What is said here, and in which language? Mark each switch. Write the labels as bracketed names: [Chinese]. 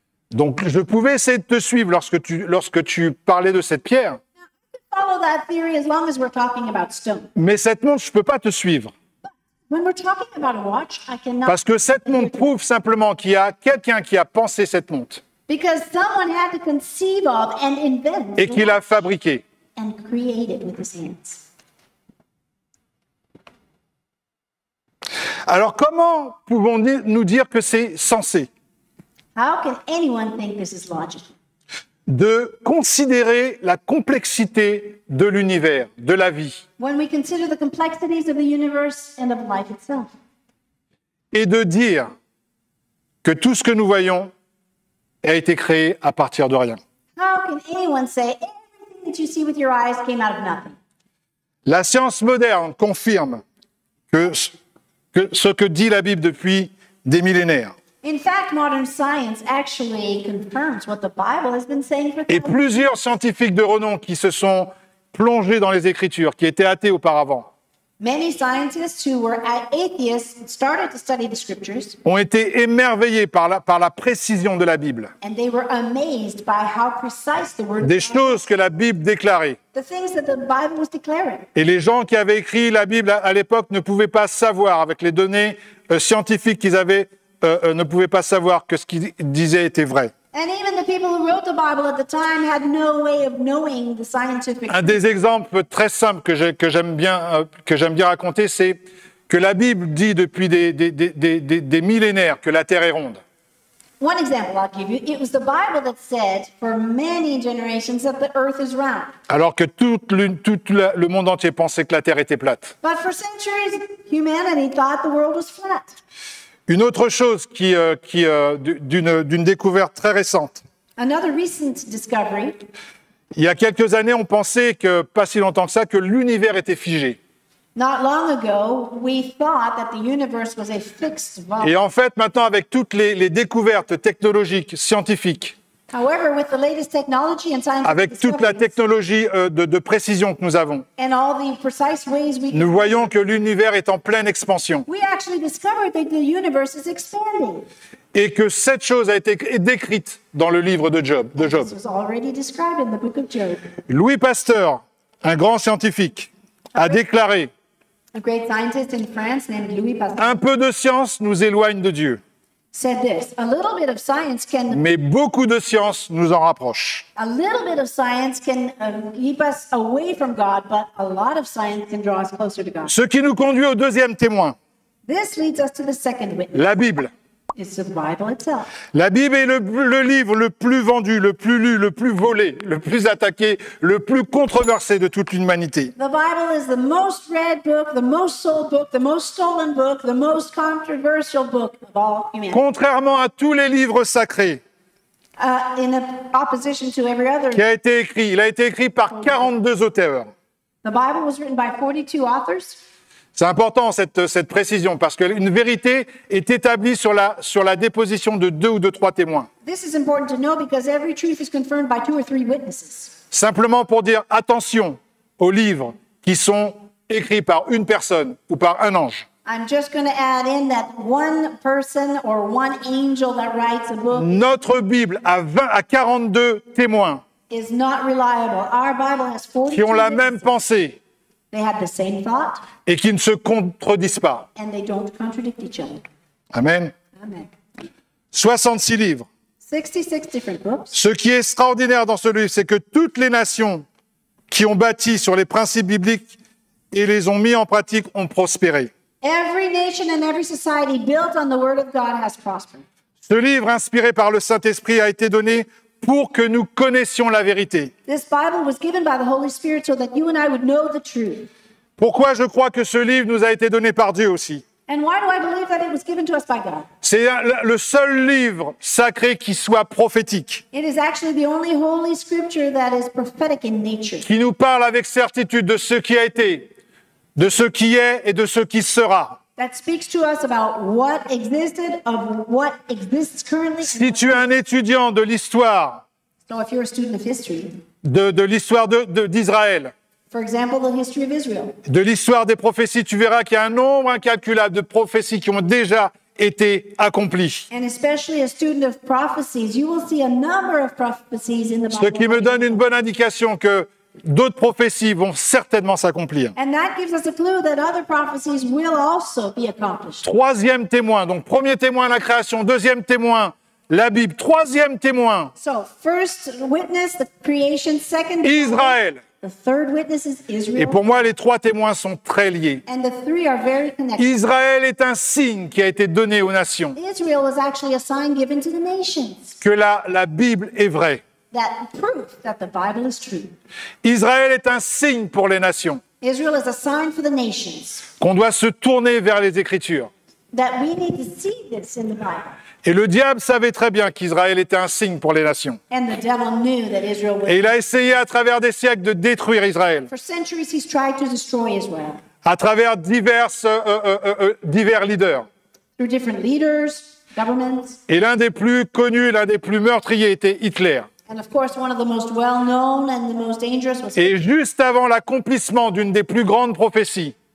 [French] Donc, je pouvais essayer de te suivre lorsque tu parlais de cette pierre. [English] Now, you can follow that theory as long as we're talking about stone. [French] Mais cette montre, je ne peux pas te suivre. [English] When we're talking about a watch, I cannot. [French] Parce que cette montre prouve simplement qu'il y a quelqu'un qui a pensé cette montre. [English] Because someone had to conceive of and invent. [French] Et qui l'a fabriqué. [English] And create it with his hands. [French] Alors comment pouvons-nous dire que c'est sensé? [English] How can anyone think this is logical? [French] De considérer la complexité de l'univers, de la vie. [English] When we consider the complexities of the universe and of life itself. [French] Et de dire que tout ce que nous voyons a été créé à partir de rien. [English] How can anyone say everything that you see with your eyes came out of nothing? [French] La science moderne confirme que ce que dit la Bible depuis des millénaires. [English] In fact, modern science actually confirms what the Bible has been saying for. [French] Et plusieurs scientifiques de renom qui se sont plongés dans les Écritures, qui étaient athées auparavant. [English] Many scientists who were atheists started to study the scriptures. [French] Ont été émerveillés par la précision de la Bible. [English] And they were amazed by how precise the word. [French] Des choses que la Bible déclarait. [English] The things that the Bible was declaring. [French] Et les gens qui avaient écrit la Bible à l'époque ne pouvaient pas savoir avec les données scientifiques qu'ils avaient. Ne pouvaient pas savoir que ce qu'ils disaient était vrai. Un des exemples très simples que j'aime bien raconter, c'est que la Bible dit depuis des millénaires que la Terre est ronde. [English] One example I'll give you, it was the Bible that said for many generations that the earth is round. [French] Alors que tout le monde entier pensait que la Terre était plate. [English] But for centuries, humanity thought the world was flat. [French] Une autre chose d'une découverte très récente. [English] Another recent discovery. [French] Il y a quelques années, on pensait que, pas si longtemps que ça, que l'univers était figé. [English] Not long ago, we thought that the universe was a fixed volume. [French] Et en fait, maintenant, avec toutes les découvertes technologiques, scientifiques, [English] however, with the latest technology and scientific [French] avec toute la technologie de précision que nous avons, [English] and all the precise ways we [French] nous voyons que l'univers est en pleine expansion. [English] We actually discovered that the universe is expanding. [French] Et que cette chose a été décrite dans le livre de Job. [English] This was already described in the book of Job. [French] Louis Pasteur, un grand scientifique, a déclaré, [English] a great scientist in France named Louis Pasteur, [French] un peu de science nous éloigne de Dieu. [English] Said this, a little bit of science can. [French] Mais beaucoup de science nous en rapproche. [English] A little bit of science can keep us away from God, but a lot of science can draw us closer to God. [French] Ce qui nous conduit au deuxième témoin. [English] This leads us to the second witness. [French] La Bible. [English] It's the Bible itself. [French] La Bible est le livre le plus vendu, le plus lu, le plus volé, le plus attaqué, le plus controversé de toute l'humanité. [English] The Bible is the most read book, the most sold book, the most stolen book, the most controversial book of all humanity. [French] Contrairement à tous les livres sacrés. [English] In opposition to every other. [French] Qui a été écrit, il a été écrit par 42 auteurs. [English] The Bible was written by 42 authors. [French] C'est important cette précision parce qu'une vérité est établie sur la déposition de deux ou de trois témoins. [English] This is important to know because every truth is confirmed by two or three witnesses. [French] Simplement pour dire attention aux livres qui sont écrits par une personne ou par un ange. [English] I'm just going to add in that one person or one angel that writes a book. [French] Notre Bible a 20 à 42 témoins. [English] Is not reliable. Our Bible has 42 [French] qui ont la même pensée. [English] They have the same thought. [French] Et qui ne se contredisent pas. [English] And they don't contradict each other. [French] Amen. [English] Amen. [French] 66 livres. [English] 66 different books. [French] Ce qui est extraordinaire dans ce livre, c'est que toutes les nations qui ont bâti sur les principes bibliques et les ont mis en pratique ont prospéré. [English] Every nation and every society built on the word of God has prospered. [French] Ce livre inspiré par le Saint-Esprit a été donné pour que nous connaissions la vérité. [English] This Bible was given by the Holy Spirit so that you and I would know the truth. [French] Pourquoi je crois que ce livre nous a été donné par Dieu aussi? [English] And why do I believe that it was given to us by God? [French] C'est le seul livre sacré qui soit prophétique. [English] It is actually the only holy scripture that is prophetic in nature. [French] Qui nous parle avec certitude de ce qui a été, de ce qui est et de ce qui sera. [English] That speaks to us about what existed, of what exists currently. [French] Si tu es un étudiant de l'histoire, [English] so if you're a student of history, [French] de l'histoire d'Israël, [English] for example, the history of Israel, [French] de l'histoire des prophéties, tu verras qu'il y a un nombre incalculable de prophéties qui ont déjà été accomplies. [English] And especially a student of prophecies, you will see a number of prophecies in the Bible. [French] Ce qui me donne une bonne indication que d'autres prophéties vont certainement s'accomplir. [English] And that gives us a clue that other prophecies will also be accomplished. [French] Troisième témoin, donc premier témoin la création, deuxième témoin la Bible, troisième témoin. [English] So first witness the creation, second [French] Israël. [English] The third witness is Israel. [French] Et pour moi, les trois témoins sont très liés. [English] And the three are very connected. [French] Israël est un signe qui a été donné aux nations. [English] Israel was actually a sign given to the nations. [French] Que la Bible est vraie. [English] That proof that the Bible is true. [French] Israël est un signe pour les nations. [English] Israel is a sign for the nations. [French] Qu'on doit se tourner vers les Écritures. [English] That we need to see this in the Bible. [French] Et le diable savait très bien qu'Israël était un signe pour les nations. [English] And the devil knew that Israel would. [French] Et il a essayé à travers des siècles de détruire Israël. [English] For centuries he's tried to destroy Israel. [French] À travers divers leaders. [English] Through different leaders, governments. [French] Et l'un des plus connus, l'un des plus meurtriers était Hitler. [English] And of course, one of the most well-known and the most dangerous was. [French] Et juste avant l'accomplissement d'une des plus grandes prophéties,